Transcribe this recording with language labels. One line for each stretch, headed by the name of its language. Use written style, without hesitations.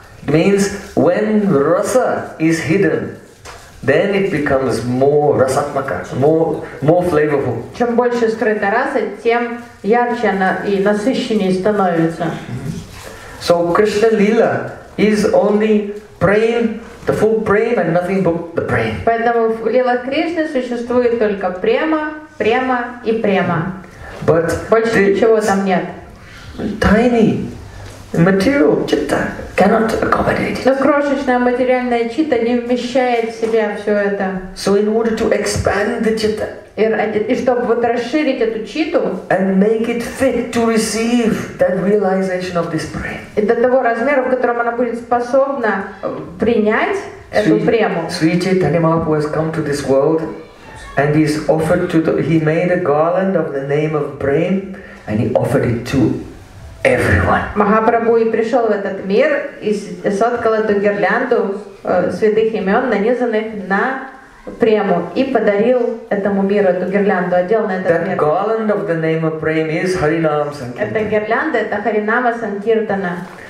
English: It means, when rasa is hidden, then it becomes more rasatmaka, more flavorful.
Russian: Чем больше скрыта раса, тем ярче она и насыщеннее становится.
English: So Krishna Lila is only Prem, the full Prem, and nothing but the Prem.
Russian: Поэтому в Лила Кришны существует только Према, Према и Према.
English: But
Russian: больше ничего там нет.
English: Tiny material chitta cannot accommodate it.
Russian: Но крошечная материальная чита не вмещает в себя все это.
English: So in order to expand the chitta.
Russian: И чтобы вот расширить эту читу
English: and make it fit to receive that realization of this prem.
Russian: И до того размера, в котором она будет способна принять эту прему.
English: Sri Chaitanya Mahaprabhu has come to this world and he's offered to he made a garland of the name of prem and he offered it to everyone.
Russian: Махапрабху и пришел в этот мир и соткал эту гирлянду святых имен, нанизанных на Прему и подарил этому миру эту гирлянду, одел на этот
English: that
Russian: мир.
English: Garland of the name of Prem is Harinam Sankirtana.
Russian: Эта гирлянда это Харинама Санкиртана.